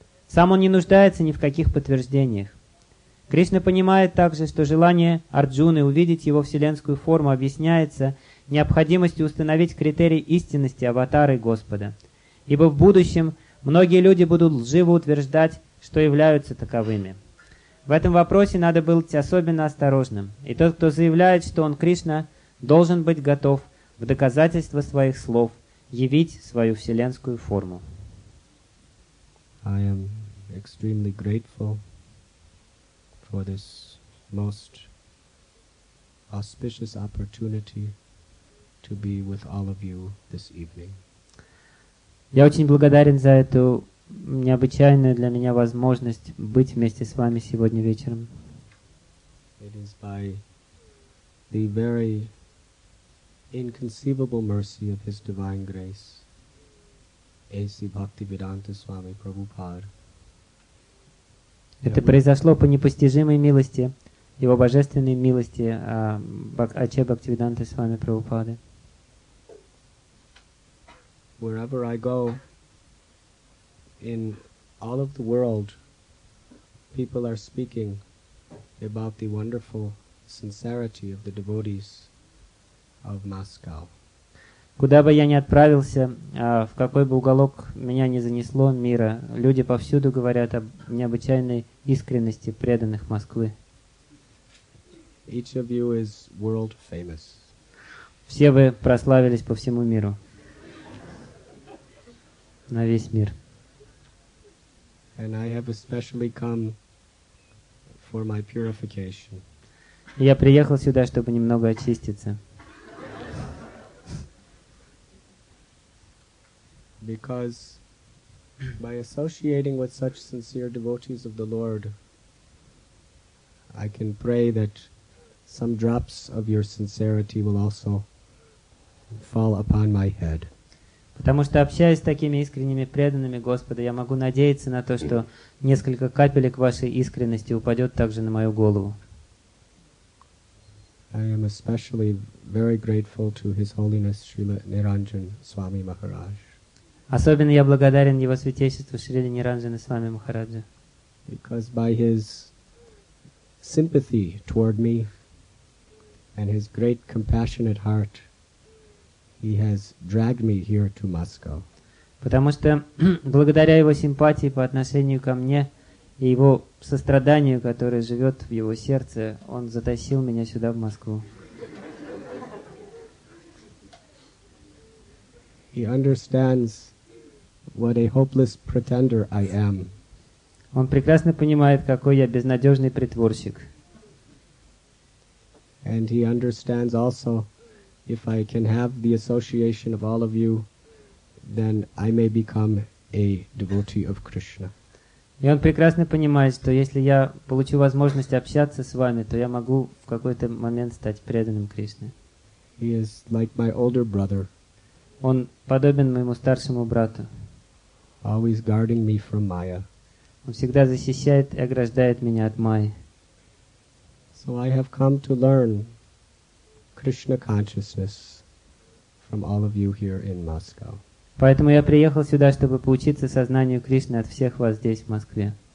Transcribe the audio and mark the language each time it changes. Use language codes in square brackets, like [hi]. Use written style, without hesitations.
[ru] Сам он не нуждается ни в каких подтверждениях. Кришна понимает также, что желание Арджуны увидеть его вселенскую форму объясняется необходимостью установить критерий истинности аватары Господа, ибо в будущем многие люди будут лживо утверждать, что являются таковыми. В этом вопросе надо быть особенно осторожным, и тот, кто заявляет, что он Кришна, должен быть готов в доказательство своих слов явить свою вселенскую форму. [en] I am extremely grateful for this most auspicious opportunity to be with all of you this evening. [ru] Я очень благодарен за эту необычайную для меня возможность быть вместе с вами сегодня вечером. [en] It is by the very inconceivable mercy of His divine grace, A.C. Bhaktivedanta Swami Prabhupada. [ru] Это произошло по непостижимой милости, Его божественной милости, Ача Бхактивиданта Свами Прабхупады. [en] Wherever I go, in all of the world, people are speaking about the wonderful sincerity of the devotees of Moscow. [ru] Куда бы я ни отправился, в какой бы уголок меня ни занесло мира, люди повсюду говорят об необычайной искренности преданных Москвы. [en] Each of you is world famous. [ru] Все вы прославились по всему миру. На весь мир. [en] And I have especially come for my purification. [ru] Я приехал сюда, чтобы немного очиститься. [en] Because by associating with such sincere devotees of the Lord, I can pray that some drops of your sincerity will also fall upon my head. [ru] Потому что общаясь с такими искренними преданными Господа, я могу надеяться на то, что несколько капелек вашей искренности упадет также на мою голову. [en] I am especially very grateful to His Holiness Srila Niranjan Swami Maharaj. [ru] Особенно я благодарен Его Святейшеству Шриле Ниранджане Свами Махараджа. [en] Because by His sympathy toward me and His great compassionate heart, He has dragged me here to Moscow. [ru] Потому что благодаря Его симпатии по отношению ко мне И его сострадание, которое живет в его сердце, он затащил меня сюда, в Москву. [en] He understands what a hopeless pretender I am. [ru] Он прекрасно понимает, какой я безнадежный притворщик. [en] And he understands also, if I can have the association of all of you, then I may become a devotee of Krishna. [ru] И он прекрасно понимает, что если я получу возможность общаться с вами, то я могу в какой-то момент стать преданным Кришне. [en] He is like my older brother. [ru] Он подобен моему старшему брату. [en] Always guarding me from Maya. [ru] Он всегда защищает и ограждает меня от Майи. [en] So I have come to learn Krishna consciousness from all of you here in Moscow. [ru] Поэтому я приехал сюда, чтобы поучиться сознанию Кришны от всех вас здесь, в Москве.